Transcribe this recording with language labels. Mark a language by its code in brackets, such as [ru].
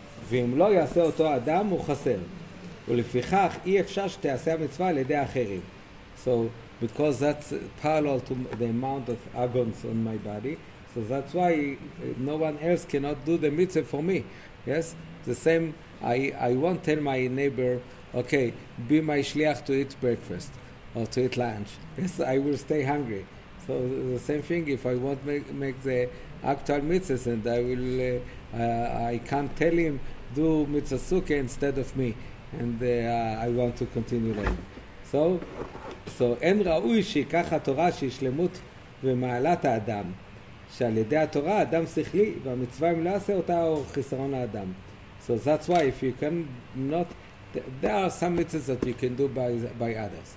[he] ואם לא יעשה אותו אדם, הוא חסר. ולפיכך, אי אפשר שתעשה המצווה על ידי אחרים. [en] So, because that's parallel to the amount of agons on my body, so that's why no one else cannot do the mitzvah for me. Yes, the same. I won't tell my neighbor, okay, be my shliach to eat breakfast or to eat lunch. Yes, I will stay hungry. So the same thing, if I won't make the actual mitzvahs, and I will, I can't tell him, do mitzvah sukkah instead of me, and I want to continue learning. [he] So, en ra'ui shikach ha-Torah shishlemut ve-ma'alat ha-Adam. שעל ידי התורה אדם שכלי והמצווה אם לא עשה אותה או חיסרון האדם. [en] So that's why if you can not, there are some mitzvahs that you can do by others.